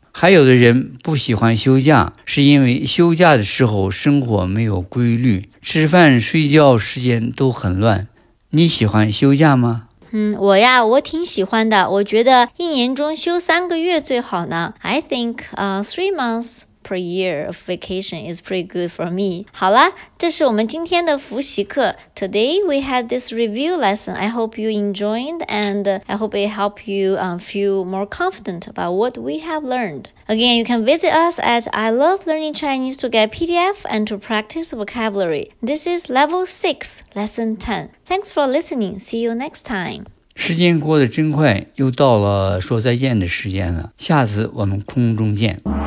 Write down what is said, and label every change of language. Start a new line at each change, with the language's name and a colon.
Chinese: 还有的人不喜欢休假，是因为休假的时候生活没有规律，吃饭睡觉时间都很乱。你喜欢休假吗？我挺喜欢的，我觉得一年中休3个月最好呢。
English: I think, 3 months per year of vacation is pretty good for me.
Chinese: 好了，这是我们今天的复习课。
English: Today we had this review lesson. I hope you enjoyed and I hope it helped you feel more confident about what we have learned. Again, you can visit us at I Love Learning Chinese to get PDF and to practice vocabulary. This is Level 6, Lesson 10. Thanks for listening. See you next time.
Chinese: 时间过得真快，又到了说再见的时间了。下次我们空中见。